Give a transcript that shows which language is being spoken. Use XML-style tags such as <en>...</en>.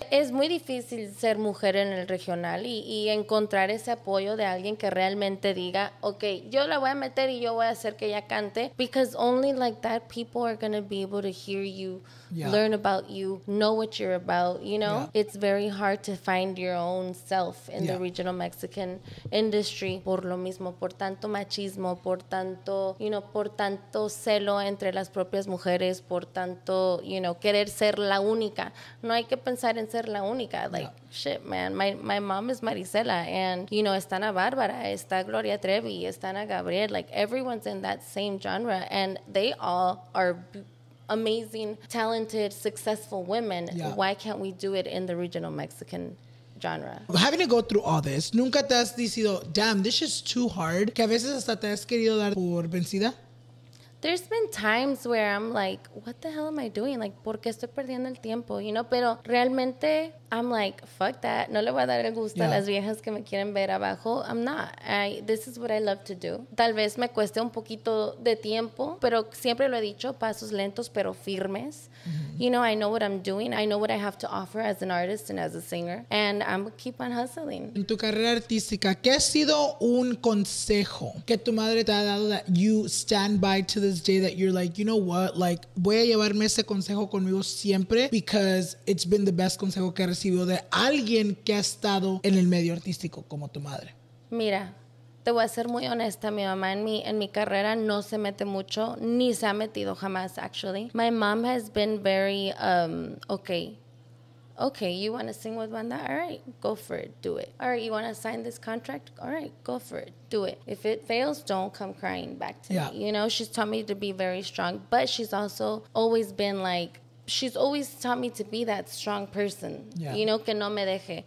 <es>Es muy difícil ser mujer en el regional y encontrar ese apoyo de alguien que realmente diga, okay, yo la voy a meter y yo voy a hacer que ella cante.</es> <en>Because only like that people are going to be able to hear you, learn about you, know what you're about, you know? Yeah. It's very hard to find your own self in the regional Mexican industry.</en> <es>Por lo mismo, por tanto machismo, por tanto, you know, por tanto celo entre las propias mujeres, por tanto, you know, querer ser la única. No hay que pensar en ser la única.</es> <en>Shit, man. My mom is Marisela, and you know, está Ana Bárbara, está Gloria Trevi, está Ana Gabriel. Like, everyone's in that same genre, and they all are amazing, talented, successful women. Yeah. Why can't we do it in the regional Mexican genre? Having to go through all this,</en> <es>nunca te has dicho,</es> <en>damn, this is too hard.</en> <es>Que a veces hasta te has querido dar por vencida.</es> <en>There's been times where I'm like, what the hell am I doing? Like,</en> <es>¿por qué estoy perdiendo el tiempo?</es> <en>You know,</en> <es>pero realmente</es> <en>I'm like, fuck that.</en> <es>No le voy a dar el gusto a las viejas que me quieren ver abajo.</es> <en>I'm not. This is what I love to do.</en> <es>Tal vez me cueste un poquito de tiempo, pero siempre lo he dicho, pasos lentos pero firmes. Mm-hmm.</es> <en>You know, I know what I'm doing. I know what I have to offer as an artist and as a singer. And I'm going to keep on hustling.</en> <es>En tu carrera artística, ¿qué ha sido un consejo que tu madre te ha dado</es> <en>that you stand by to this day that you're like, you know what?</en> <es>Like, voy a llevarme ese consejo conmigo siempre</es> <en>because it's been the best</en> <es>consejo que recibió de alguien que ha estado en el medio artístico como tu madre. Mira, te voy a ser muy honesta, mi mamá en mi carrera no se mete mucho, ni se ha metido jamás,</es> <en>actually. My mom has been very, okay, you want to sing with banda? All right, go for it, do it. All right, you want to sign this contract? All right, go for it, do it. If it fails, don't come crying back to me. You know, she's taught me to be very strong, but she's also always been like, she's always taught me to be that strong person, you know,</en> <es>que no me deje.</es>